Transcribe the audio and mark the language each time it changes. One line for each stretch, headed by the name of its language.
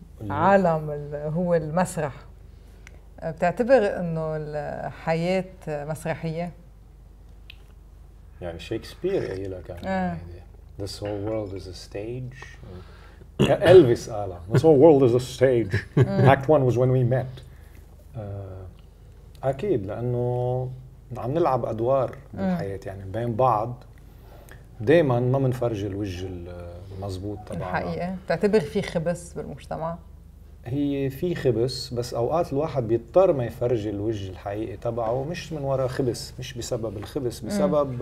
Arabic: عالم هو المسرح، بتعتبر انه الحياة مسرحية؟ يعني شيكسبير قال لك
English: this whole world is a stage. Elvis قاله this whole world is a stage. Act 1 was when we met.
Arabic: أكيد، لأنه عم نلعب أدوار بالحياة يعني بين بعض، دايما ما منفرج الوجه المزبوط طبعا. الحقيقة تعتبر في خبس بالمجتمع؟ هي في خبس، بس أوقات الواحد بيضطر ما يفرج الوجه الحقيقي تبعه، مش من وراء خبس، مش بسبب الخبس، بسبب